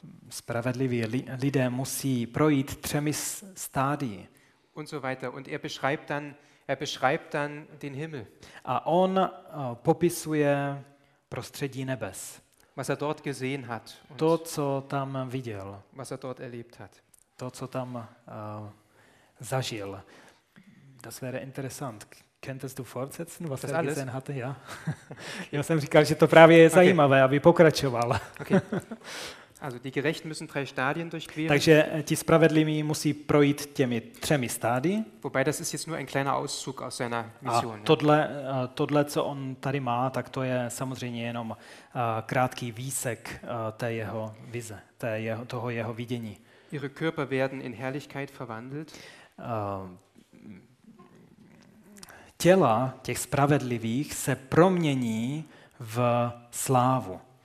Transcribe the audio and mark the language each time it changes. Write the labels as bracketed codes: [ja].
[cs] Spravedliví lidé musí projít třemi stádii. [de] Und so weiter. Und er beschreibt dann den Himmel. [cs] A on popisuje prostředí nebes. [de] Was er dort gesehen hat. [cs] To, co tam viděl. [de] Was er dort erlebt hat. [cs] To, co tam zažil. [de] Das wäre interessant. Könntest du fortsetzen, was er gesehen hatte? Ja. [cs] Já jsem říkal, že to právě je zajímavé, aby pokračoval. [de] Also die Gerechten müssen drei Stadien durchqueren. [cs] Takže ti spravedliví musí projít těmi třemi stádii. [de] Wobei das ist jetzt nur ein kleiner Auszug aus seiner Mission. [cs] A tohle, co on tady má, tak to je samozřejmě jenom krátký výsek té jeho vize, toho jeho vidění. [de] Ihre Körper werden in Herrlichkeit verwandelt. [cs] Těla těch spravedlivých se promění v slávu.